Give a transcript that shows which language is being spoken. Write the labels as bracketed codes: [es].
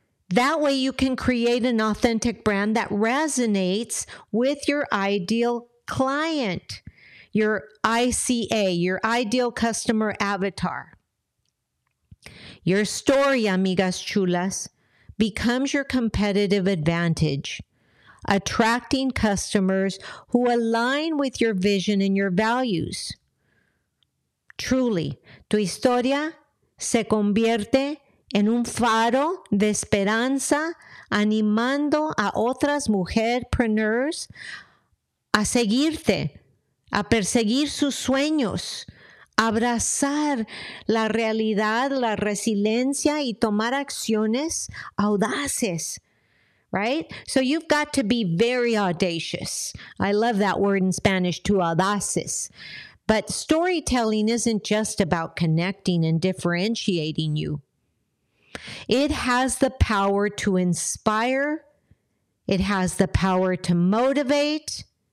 [en] That way you can create an authentic brand that resonates with your ideal client, your ICA, your ideal customer avatar. Your story, [es] amigas chulas, [en] becomes your competitive advantage, attracting customers who align with your vision and your values. [es] Truly, tu historia se convierte en un faro de esperanza, animando a otras mujerpreneurs a seguirte, a perseguir sus sueños, abrazar la realidad, la resiliencia y tomar acciones audaces. [en] right? So you've got to be very audacious. I love that word in Spanish, tu audaces. But storytelling isn't just about connecting and differentiating you. It has the power to inspire. It has the power to motivate.